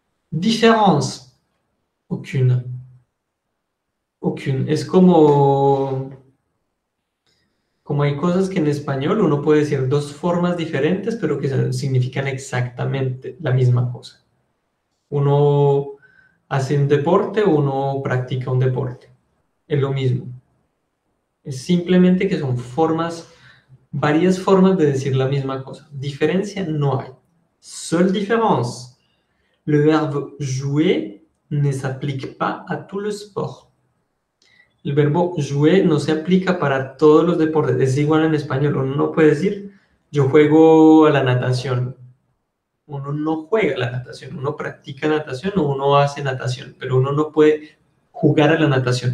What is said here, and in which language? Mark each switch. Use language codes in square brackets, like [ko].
[fr] Différence. Aucune. Aucune. [es] Es como hay cosas que en español uno puede decir dos formas diferentes, pero que significan exactamente la misma cosa. Uno hace un deporte, uno practica un deporte. Es lo mismo. Es simplemente que son formas, varias formas de decir la misma cosa. Diferencia no hay. [fr] Seule différence. Le verbe jouer ne s'applique pas à tout le sport. [es] El verbo jouer no se aplica para todos los deportes. Es igual en español. Uno no puede decir yo juego a la natación. Uno no juega a la natación. Uno practica natación o uno hace natación. Pero uno no puede jugar a la natación.